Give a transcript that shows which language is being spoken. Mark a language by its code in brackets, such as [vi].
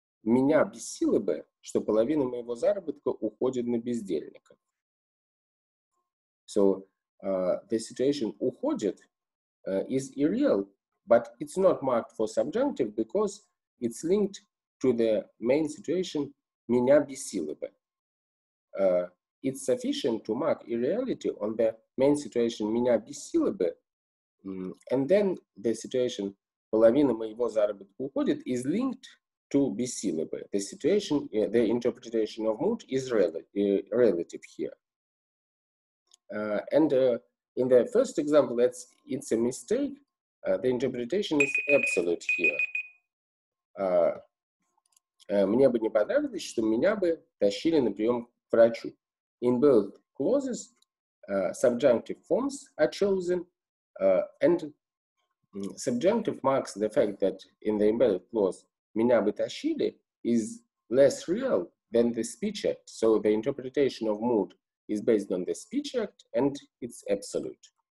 [ru] Меня бесило бы, что половина моего заработка уходит на бездельников. [en] So the situation [ru] уходит [en] is irreal, but it's not marked for subjunctive because it's linked to the main situation [ru] меня бесило бы. [en] It's sufficient to mark irreality on the main situation [ru] меня бесило бы, [en] and then the situation [ru] половина моего заработка уходит [en] is linked to [ru] бесило бы. [en] The situation, the interpretation of mood is relative here. In the first example, it's a mistake The interpretation is absolute here. [ru] Мне бы не понравилось, что меня бы тащили на прием к врачу. [en] In both clauses, subjunctive forms are chosen, and subjunctive marks the fact that in the embedded clause [ru] меня бы тащили [en] is less real than the speech act. So the interpretation of mood is based on the speech act and it's absolute.